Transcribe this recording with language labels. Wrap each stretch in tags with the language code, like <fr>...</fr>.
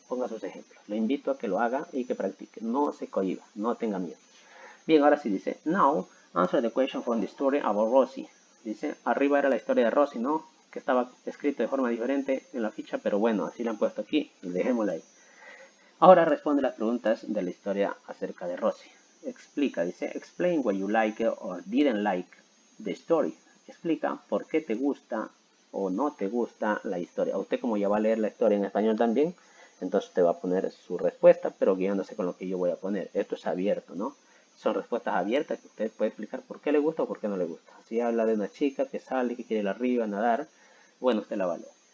<es>Ponga sus ejemplos. Le invito a que lo haga y que practique. No se cohiba, no tenga miedo. Bien, ahora sí dice,</es> <en>now, answer the question from the story about Rosie.</en> <es>Dice, arriba era la historia de Rosie, ¿no? Que estaba escrito de forma diferente en la ficha, pero bueno, así la han puesto aquí. Dejémosla ahí. Ahora responde las preguntas de la historia acerca de Rosie. Explica, dice,</es> <en>explain what you like or didn't like the story.</en> <es>Explica por qué te gusta o no te gusta la historia. Usted como ya va a leer la historia en español también, entonces te va a poner su respuesta, pero guiándose con lo que yo voy a poner. Esto es abierto, ¿no? Son respuestas abiertas que usted puede explicar por qué le gusta o por qué no le gusta. Si habla de una chica que sale, que quiere ir arriba, nadar, bueno, usted la va a leer.</es>